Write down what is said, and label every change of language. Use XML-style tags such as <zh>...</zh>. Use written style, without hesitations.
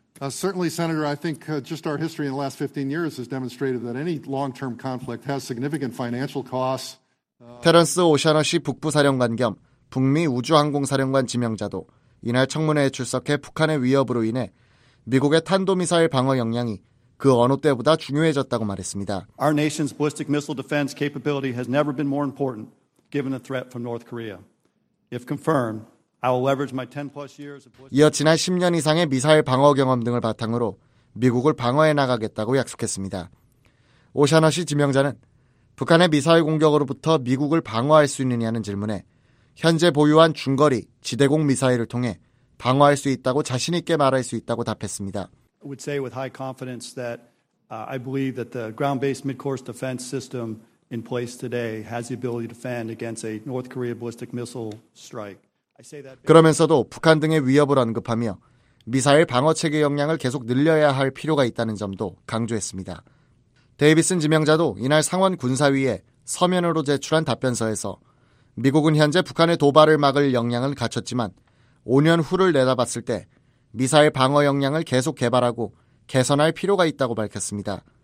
<en>Certainly, Senator, I think just our history in the last 15 years has demonstrated that any long-term conflict has significant financial costs.</en> <ko>테런스 오셔너시 북부사령관 겸 북미 우주항공사령관 지명자도 이날 청문회에 출석해 북한의 위협으로 인해 미국의 탄도미사일 방어 역량이 그 어느 때보다 중요해졌다고 말했습니다.</ko> <en>Our nation's ballistic missile defense capability has never been more important given the threat from North Korea. If confirmed, I will leverage my 10+ years of</en> <ko>이어 지난 10년 이상의 미사일 방어 경험 등을 바탕으로 미국을 방어해 나가겠다고 약속했습니다. 오셔너시 지명자는 북한의 미사일 공격으로부터 미국을 방어할 수 있느냐는 질문에 현재 보유한 중거리 지대공 미사일을 통해 방어할 수 있다고 자신 있게 말할 수 있다고 답했습니다.</ko> <en>I would say with high confidence that I believe that the ground-based mid-course defense system in place today has the ability to defend against a North Korea ballistic missile strike.</en> <ko>그러면서도 북한 등의 위협을 언급하며 미사일 방어체계 역량을 계속 늘려야 할 필요가 있다는 점도 강조했습니다. 데이비슨 지명자도 이날 상원 군사위에 서면으로 제출한 답변서에서 미국은 현재 북한의 도발을 막을 역량을 갖췄지만 5년 후를 내다봤을 때 미사일 방어 역량을 계속 개발하고 개선할 필요가 있다고 밝혔습니다.</ko>